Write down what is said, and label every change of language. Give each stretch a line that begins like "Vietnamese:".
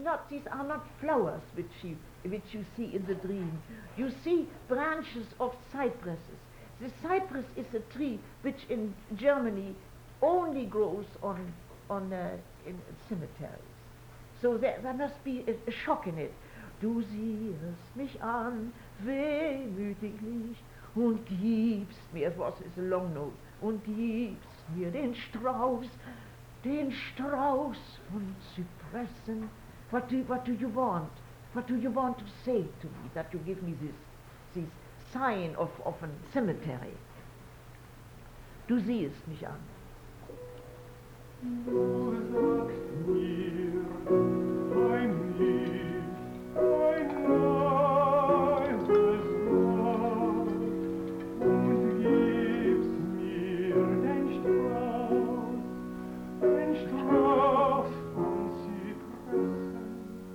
English: These are not flowers which you see in the dream. You see branches of cypresses. The cypress is a tree which in Germany only grows in cemeteries. So there must be a shock in it.
German: Du siehst mich an, wehmütiglich, und gibst mir,
English: was is a long note,
German: und gibst mir den Strauß von Zypressen.
English: What do you want? What do you want to say to me that you give me this sign of a cemetery?
German: Du siehst mich an. Du sagst mir, mein Licht, mein leises Wort, und gibst mir den Strauß von Zypressen.